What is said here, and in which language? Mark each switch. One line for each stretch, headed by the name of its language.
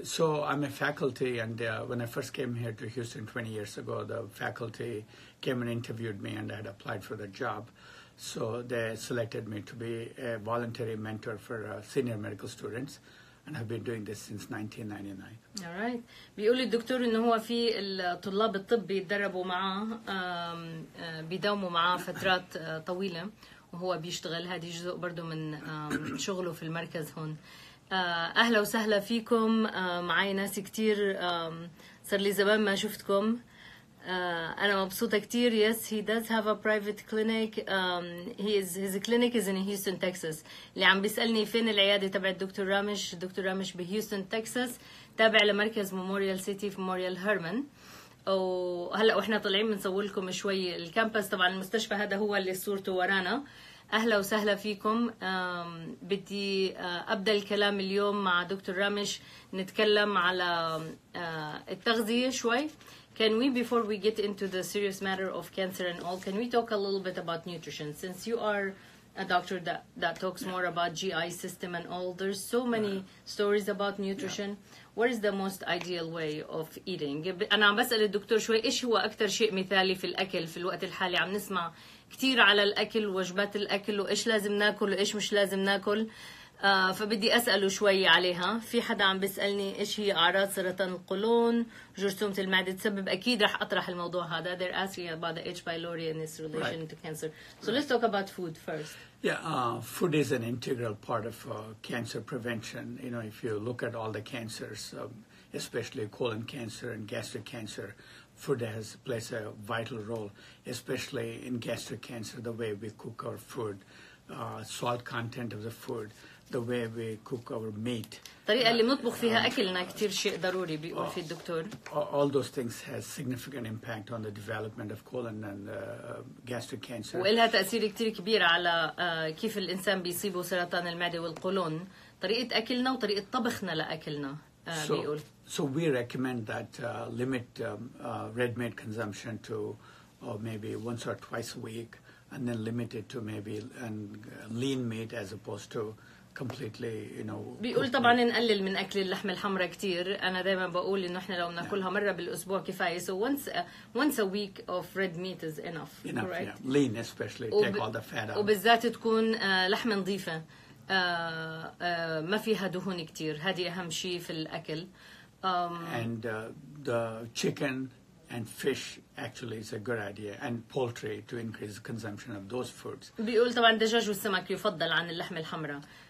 English: So I'm a faculty, and when I first came here to Houston 20 years ago, the faculty came and interviewed me, and I had applied for the job. So they selected me to be a voluntary mentor for senior medical students, and I've been doing this since 1999. All right.
Arabic: بيقول الدكتور إنه هو في الطلاب الطب بيتدربوا معه بيداوموا معه فترات طويلة وهو بيشتغل. هذه جزء برضو من شغله في المركز هون. أهلا وسهلا فيكم. معي ناس كتير صار لي زمان ما شفتكم. أنا مبسوطة كتير.
English: Yes, he does have a private clinic. His clinic is in Houston, Texas.
Arabic: اللي عم بيسألني فين العيادة تبع الدكتور رامش. الدكتور رامش بهيوستن تكساس، تابع لمركز ميموريال سيتي في ميموريال هيرمان. وهلا وإحنا طالعين بنصور لكم شوي الكامبس. طبعا المستشفى هذا هو اللي صورته ورانا. أهلا وسهلا فيكم. بدي أبدأ الكلام اليوم مع دكتور رامش، نتكلم على التغذية شوي.
English: Can we, before we get into the serious matter of cancer and all, can we talk a little bit about nutrition? Since you are a doctor that talks more about GI system and all, there's so many stories about nutrition. Yeah. What is the most ideal way of eating?
Arabic: أنا عم بسأل الدكتور شوي إيش هو أكتر شيء مثالي في الأكل في الوقت الحالي. عم نسمع كتير على الأكل وجبات الأكل وإيش لازم ناكل وإيش مش لازم ناكل. فبدي أسأله شوي عليها. في حدا عم بيسألني إيش هي أعراض سرطان القولون، جرثومة المعدة تسبب. أكيد رح أطرح الموضوع هذا.
English: They're asking about the H. pylori and its relation to cancer. So let's talk about food first. Yeah, food is an integral part of cancer prevention. You know, if you look at all the cancers, especially colon cancer and gastric cancer, food has plays a vital role, especially in gastric cancer, the way we cook our food. Salt content of the food, the way we cook our meat.
Arabic: طريقة اللي نطبخ فيها أكلنا كتير شيء ضروري بيقول في الدكتور.
English: All those things has significant impact on the development of colon and gastric cancer.
Arabic: وإلها تأثير كتير كبير على كيف الإنسان بيصيبه سرطان المعدة والقولون. طريقة أكلنا وطريقة طبخنا لأكلنا بيقول.
English: So we recommend that limit red meat consumption to maybe once or twice a week. And then limit it to maybe and lean meat as opposed to completely, you know.
Arabic: بيقول طبعاً نقلل من أكل اللحم الحمراء كتير. أنا دائماً بقول إنه إحنا لو نأكلها مرة بالأسبوع كفاية.
English: So once a week of red meat is enough. Enough, right? Yeah. Lean, especially take all the fat out.
Arabic: وبالذات تكون لحم نظيفة ما فيها دهون كتير. هذه أهم شيء في الأكل.
English: And the chicken. And fish actually is a good idea, and poultry to increase consumption of those foods.
Arabic: بيقول طبعا الدجاج والسمك يفضل عن اللحم الحمراء.